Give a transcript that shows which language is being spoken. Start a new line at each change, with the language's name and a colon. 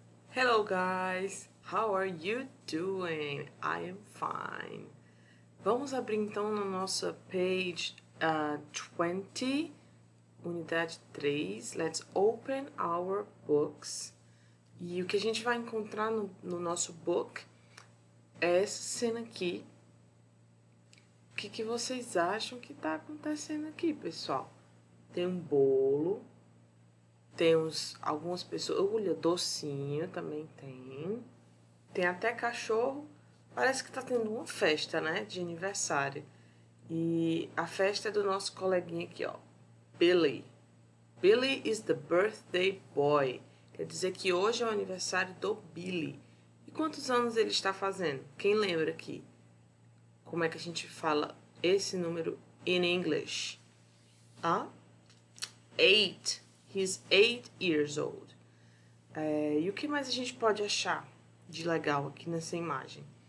English: Hello guys, how are you doing? I am fine.
Portuguese: Vamos abrir então na nossa page 20, unidade 3.
English: Let's open our books.
Portuguese: E o que a gente vai encontrar no nosso book é essa cena aqui. O que, que vocês acham que está acontecendo aqui, pessoal? Tem um bolo. Temos algumas pessoas. Olha, docinho também tem. Tem até cachorro. Parece que tá tendo uma festa, né? De aniversário. E a festa é do nosso coleguinha aqui, ó. Billy.
English: Billy is the birthday boy.
Portuguese: Quer dizer que hoje é o aniversário do Billy. E quantos anos ele está fazendo? Quem lembra aqui? Como é que a gente fala esse número
English: in English?
Portuguese: Ah? Eight.
English: He's 8 years old.
Portuguese: E o que mais a gente pode achar de legal aqui nessa imagem?